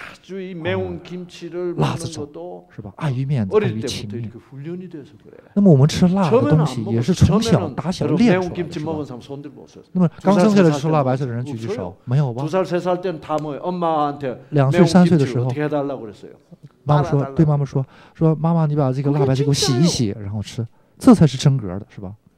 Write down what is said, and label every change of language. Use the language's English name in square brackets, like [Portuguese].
[Korean] 특주의 매운 김치를 먹는 것도 어릴 때부터 이렇게 훈련이 돼서 그래. [Chinese] 那么我们吃辣的东西也是从小打小练出来的。 [Korean] 매운 김치 먹은 사람 손들 보세요. [Chinese] 那么刚生下来吃辣白菜的人举举手，没有吧？ [Korean] 두 살 세 살 때는 다 먹어요. 엄마한테 [Chinese] 2岁3岁的时候 [Korean] 어떻게 해달라고 그랬어요? [Chinese] 妈妈说，对妈妈说，说妈妈，你把这个辣白菜给我洗一洗，然后吃，这才是真格的，是吧？